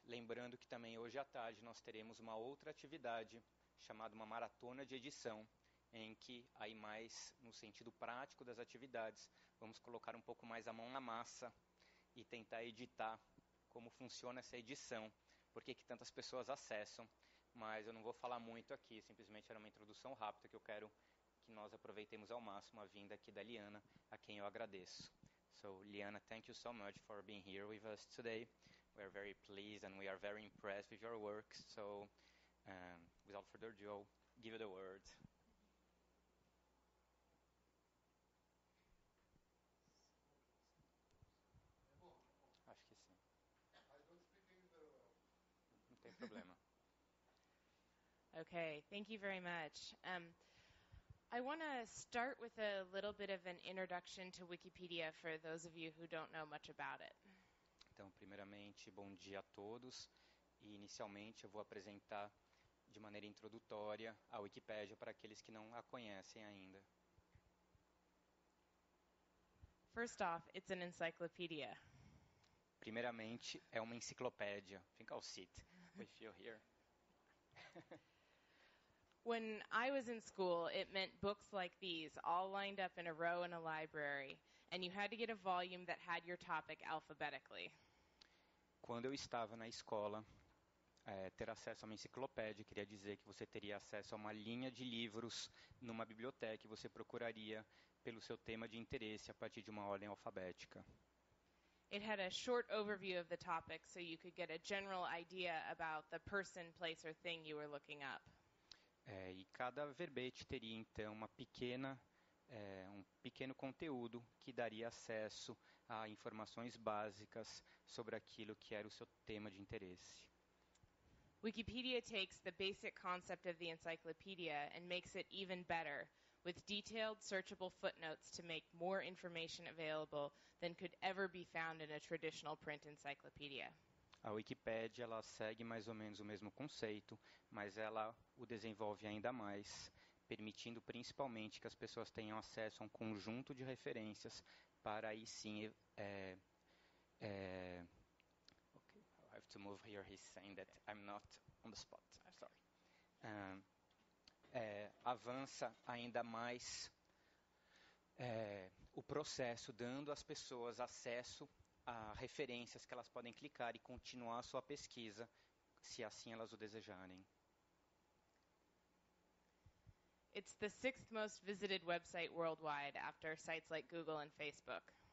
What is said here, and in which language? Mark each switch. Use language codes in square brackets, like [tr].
[pt] Lembrando que também hoje à tarde nós teremos uma outra atividade, chamada uma maratona de edição, em que aí mais no sentido prático das atividades, vamos colocar um pouco mais a mão na massa e tentar editar como funciona essa edição, por que tantas pessoas acessam, mas eu não vou falar muito aqui, simplesmente era uma introdução rápida que eu quero que nós aproveitemos ao máximo a vinda aqui da LiAnna, a quem eu agradeço. [en] So, LiAnna, thank you so much for being here with us today. We are very pleased and we are very impressed with your work. So, without further ado, give you the word. [pt] Acho que sim. Não tem problema. [en] Okay, thank you very much. I want to start with a little bit of an introduction to Wikipedia for those of you who don't know much about it. [pt] Então, primeiramente, bom dia a todos. E inicialmente, eu vou apresentar de maneira introdutória a Wikipédia para aqueles que não a conhecem ainda. [en] First off, it's an encyclopedia. [pt] Primeiramente, é uma enciclopédia. [en] I think I'll sit with you here. When I was in school, it meant books like these, all lined up in a row in a library, and you had to get a volume that had your topic alphabetically. [pt] Quando eu estava na escola, ter acesso a uma enciclopédia queria dizer que você teria acesso a uma linha de livros numa biblioteca e você procuraria pelo seu tema de interesse a partir de uma ordem alfabética. [en] It had a short overview of the topic, so you could get a general idea about the person, place, or thing you were looking up. [pt] E cada verbete teria, então, uma pequena, um pequeno conteúdo que daria acesso a informações básicas sobre aquilo que era o seu tema de interesse. [en] Wikipedia takes the basic concept of the encyclopedia and makes it even better, with detailed searchable footnotes to make more information available than could ever be found in a traditional print encyclopedia. [pt] A Wikipédia, ela segue mais ou menos o mesmo conceito, mas ela o desenvolve ainda mais, permitindo principalmente que as pessoas tenham acesso a um conjunto de referências para aí sim... [en] Okay, I have to move here, he's saying that I'm not on the spot, I'm sorry. [pt] Avança ainda mais o processo, dando às pessoas acesso a referências que elas podem clicar e continuar a sua pesquisa, se assim elas o desejarem. [en] It's the sixth most visited website worldwide after sites like Google and Facebook.